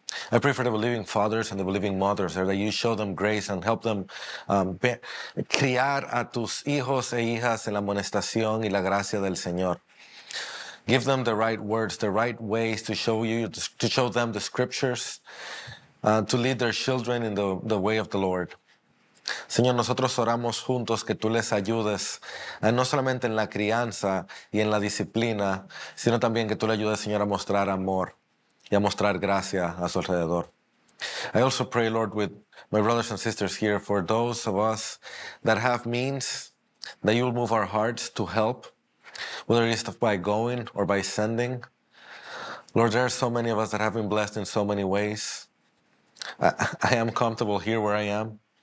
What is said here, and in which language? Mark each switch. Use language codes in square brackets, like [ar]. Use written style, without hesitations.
[en] I pray for the believing fathers and the believing mothers there, that you show them grace and help them [es] criar a tus hijos e hijas en la amonestación y la gracia del Señor. [en] Give them the right words, the right ways to show you, to show them the scriptures, to lead their children in the way of the Lord. [es] Señor, nosotros oramos juntos que tú les ayudes, no solamente en la crianza y en la disciplina, sino también que tú le ayudes, Señor, a mostrar amor y a mostrar gracia a su alrededor. [en] I also pray, Lord, with my brothers and sisters here, for those of us that have means, that you will move our hearts to help, whether it is by going or by sending. Lord, there are so many of us that have been blessed in so many ways. I am comfortable here where I am.